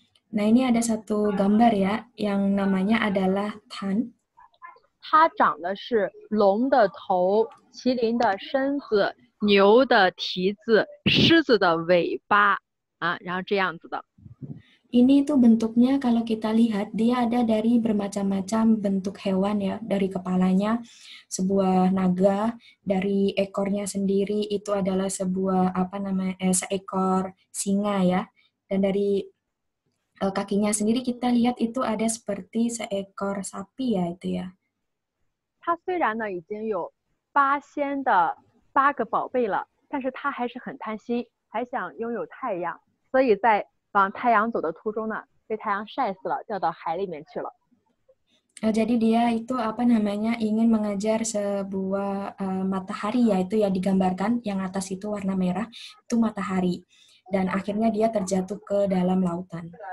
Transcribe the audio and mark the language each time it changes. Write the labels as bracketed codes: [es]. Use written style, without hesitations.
[id] Nah ini ada satu gambar ya, yang namanya adalah Tan. [zh] 它长的是龙的头、麒麟的身子、牛的蹄子、狮子的尾巴啊，然后这样子的。 [id] Ini tuh bentuknya kalau kita lihat, dia ada dari bermacam-macam bentuk hewan ya. Dari kepalanya sebuah naga, dari ekornya sendiri itu adalah sebuah apa namanya seekor singa ya. Dan dari kakinya sendiri kita lihat itu ada seperti seekor sapi ya itu ya. [zh] 它虽然呢已经有八仙的八个宝贝了，但是它还是很贪心，还想拥有太阳，所以在 往太阳走的途中呢，被太阳晒死了，掉到海里面去了。 [id] Oh, jadi dia itu apa namanya ingin mengejar sebuah matahari ya itu ya digambarkan yang atas itu warna merah itu matahari dan akhirnya dia terjatuh ke dalam lautan.